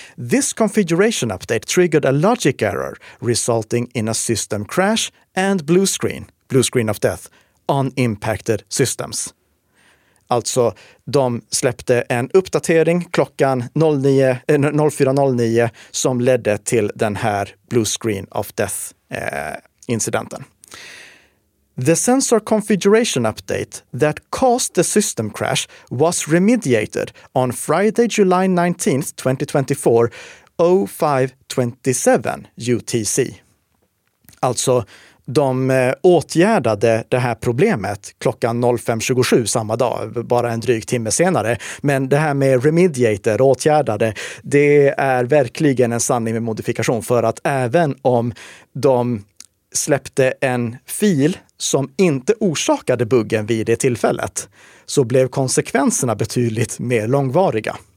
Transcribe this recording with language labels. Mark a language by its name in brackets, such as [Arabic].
[English] This configuration update triggered a logic error, resulting in a system crash and blue screen of death unimpacted systems. [Swedish] Alltså, de släppte en uppdatering klockan 04.09 som ledde till den här blue screen of death incidenten. [English] The sensor configuration update that caused the system crash was remediated on Friday, July 19th, 2024, 0527 UTC. [Swedish] Alltså, de åtgärdade det här problemet klockan 05.27 samma dag, bara en dryg timme senare. Men det här med remediated, åtgärdade, det är verkligen en sanning med modifikation, för att även om de släppte en fil som inte orsakade buggen vid det tillfället, så blev konsekvenserna betydligt mer långvariga.